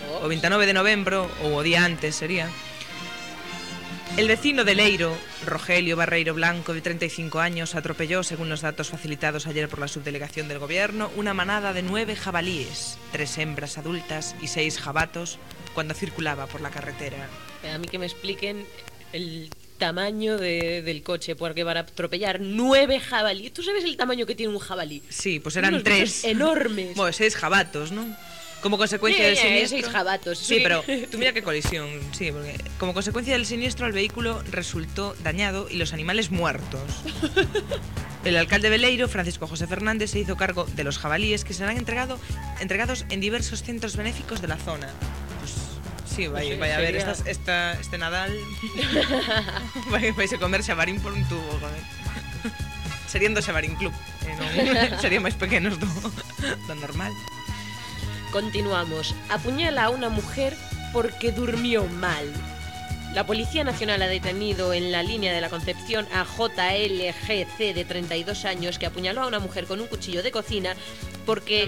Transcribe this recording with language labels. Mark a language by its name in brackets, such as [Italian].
[Galician] O 29 de novembro, ou o día antes, sería. [Spanish] El vecino de Leiro, Rogelio Barreiro Blanco, de 35 años, atropelló, según los datos facilitados ayer por la subdelegación del gobierno, una manada de 9 jabalíes, 3 hembras adultas y 6 jabatos, cuando circulaba por la carretera. A mí que me expliquen el tamaño del coche, porque para atropellar 9 jabalíes. ¿Tú sabes el tamaño que tiene un jabalí? Sí, pues eran 3. Enormes. Bueno, 6 jabatos, ¿no? Como consecuencia del siniestro. 6 jabatos, sí. Sí, pero tú mira qué colisión. Sí, porque como consecuencia del siniestro, el vehículo resultó dañado y los animales muertos. El alcalde veleiro, Francisco José Fernández, se hizo cargo de los jabalíes que serán entregados en diversos centros benéficos de la zona. [Galician] Sí, vaya a ver, este Nadal vais a comer xabarín por un tubo, joder. Serían dos xabarín club, sería máis pequenos do normal. [Spanish] Continuamos. Apuñala a unha mujer porque durmió mal. La Policía Nacional ha detenido en la línea de la Concepción a JLGC, de 32 años, que apuñaló a una mujer con un cuchillo de cocina porque...